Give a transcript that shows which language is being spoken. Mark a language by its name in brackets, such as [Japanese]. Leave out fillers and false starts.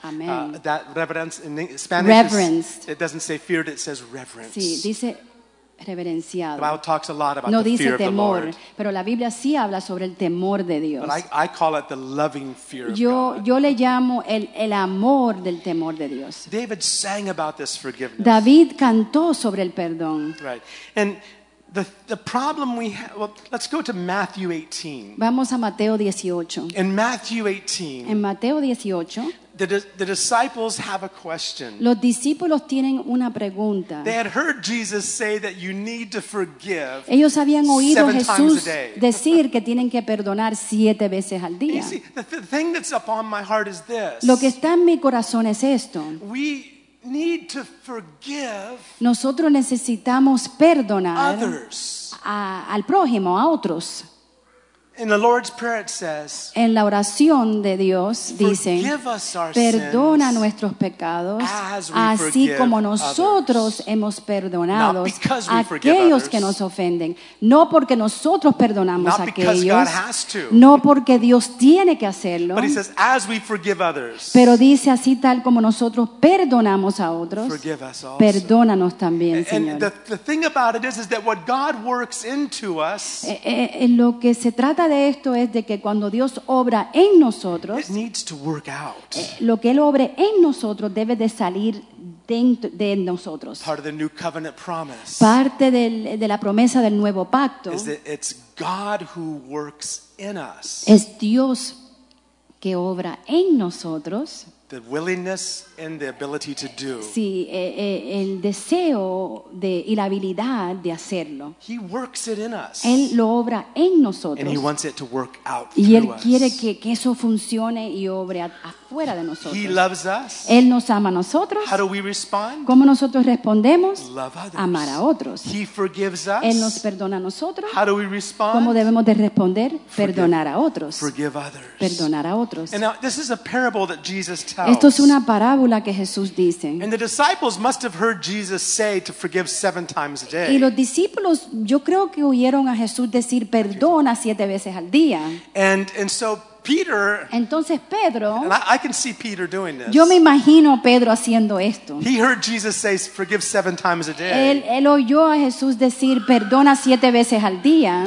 [English] Amen. That reverence in Spanish, reverence. It doesn't say feared, it says reverence. [Spanish] Sí, dice reverenciado. [English] The Bible talks a lot about [Spanish] no [English] the [Spanish] dice [English] fear [Spanish] temor, [English] of the Lord. [Spanish] Pero la Biblia sí habla sobre el temor de Dios. [English] But I call it the loving fear of God. [Spanish] Yo le llamo el amor del temor de Dios. [English] David sang about this forgiveness. [Spanish] David cantó sobre el perdón. [English] Right. And the problem we have, well, let's go to Matthew 18. [Spanish] Vamos a Mateo 18. [English] In Matthew 18. [Spanish] En Mateo 18. [English] The disciples have a question. [Spanish] Los discípulos tienen una pregunta. [English] They had heard Jesus say that you need to forgive. [Spanish] Ellos habían oído Jesús decir que tienen que perdonar siete veces al día. [English] You see, the thing that's upon my heart is this. [Spanish] Lo que está en mi corazón es esto. [English] We need to forgive. [Spanish] Nosotros necesitamos perdonar [English] others. [Spanish] Al prójimo, a otros. [English] In the Lord's Prayer it says, [Spanish] en la oración de Dios dicen, [English] "Forgive us our sins, [Spanish] perdona nuestros pecados, [English] as we [Spanish] así como nosotros [English] others. [Spanish] Hemos perdonado a aquellos que nos ofenden." No porque nosotros perdonamos a aquellos, no porque Dios tiene que hacerlo, [English] but he says, "As we forgive others, [Spanish] pero dice así tal como nosotros perdonamos a otros, [English] forgive us also. [Spanish] Perdónanos también, [English] and, [Spanish] Señor. [English] And the thing about it is that what God works into us, [Spanish] lo que se trata de esto es de que cuando Dios obra en nosotros, [English] it needs to work out. [Spanish] Lo que Él obre en nosotros debe de salir dentro de nosotros. [English] Part of the new covenant promise. [Spanish] Parte de la promesa del nuevo pacto [English] is that it's God who works in us. [Spanish] Es Dios que obra en nosotros. [English] The willingness and the ability to do. [Spanish] Sí, el deseo y la habilidad de hacerlo. [English] He works it in us. [Spanish] Él lo obra en nosotros. [English] And he wants it to work out [Spanish] y [English] through [Spanish] él quiere [English] us. [Spanish] Que eso funcione y obre afuera de nosotros. [English] He loves us. [Spanish] Él nos ama a nosotros. [English] How do we respond? [Spanish] ¿Cómo nosotros respondemos? [English] Love others. [Spanish] Amar a otros. [English] He forgives us. [Spanish] Él nos perdona a nosotros. [English] How do we respond? [Spanish] ¿Cómo debemos de responder? [English] Forgive. [Spanish] Perdonar a otros. [English] Forgive others. [Spanish] Perdonar a otros. [English] And now, this is a parable that Jesus tells. [Spanish] Esto es una parábola que Jesús dice. [English] And the disciples must have heard Jesus say to forgive seven times a day. [Spanish] Y los discípulos, yo creo que oyeron a Jesús decir perdona siete veces al día. [English] And so Peter, [Spanish] entonces Pedro, [English] and I can see Peter doing this. [Spanish] Yo me imagino Pedro haciendo esto. [English] He heard Jesus say, "Forgive seven times a day." [Spanish] Él oyó a Jesús decir, "Perdona siete veces al día."